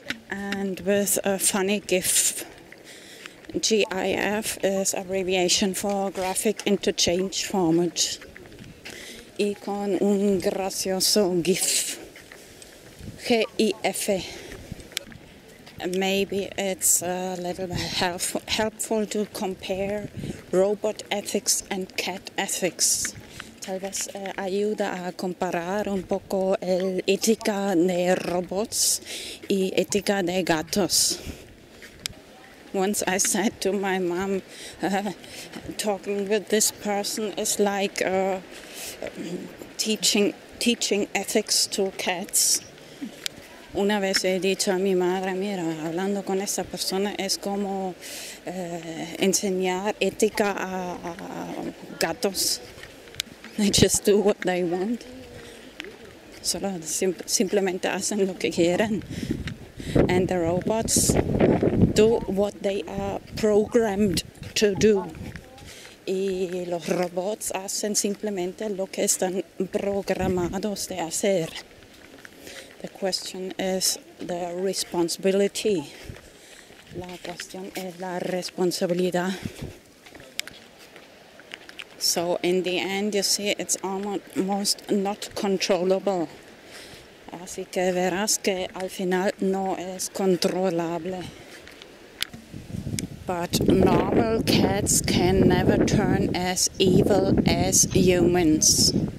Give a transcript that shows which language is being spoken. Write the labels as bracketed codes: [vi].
[en] And with a funny GIF, GIF is abbreviation for Graphic Interchange Format. [es] Y con un gracioso GIF, GIF. [en] Maybe it's a little helpful to compare robot ethics and cat ethics. [es] Tal vez ayuda a comparar un poco el ética de robots y ética de gatos. [en] Once I said to my mom, talking with this person is like teaching ethics to cats. [es] Una vez he dicho a mi madre, mira, hablando con esta persona es como enseñar ética a gatos. [en] They just do what they want. [es] Solo simplemente hacen lo que quieren. [en] And the robots do what they are programmed to do. [es] Y los robots hacen simplemente lo que están programados de hacer. [en] The question is the responsibility. [es] La cuestión es la responsabilidad. [en] So in the end, you see, it's almost not controllable. [es] Así que verás que al final no es controlable. [en] But normal cats can never turn as evil as humans.